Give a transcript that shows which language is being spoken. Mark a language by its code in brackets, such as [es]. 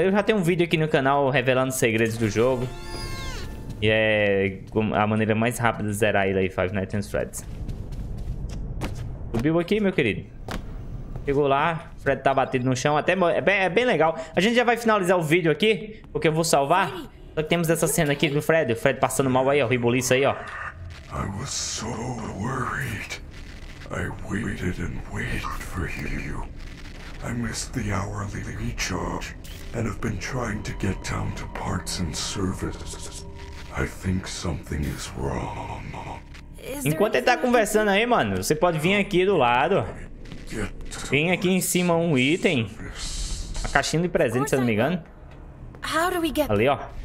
[pt] Eu já tenho um vídeo aqui no canal revelando os segredos do jogo. E é a maneira mais rápida de zerar ele aí, Five Nights at Freddy's. Subiu aqui, meu querido. Chegou lá, o Fred tá batido no chão. Até é bem legal. A gente já vai finalizar o vídeo aqui, porque eu vou salvar. Só que temos essa cena aqui do Fred. O Fred passando mal aí, ó. Ribuliço aí, ó. [en] I was so worried. I waited and waited for you. I missed the hourly recharge and have been trying to get down to parts and service. I think something is wrong. [pt] Enquanto ele tá conversando aí, mano, você pode vir aqui do lado. Vem aqui em cima um item. A caixinha de presente, se não me engano. Ali, ó.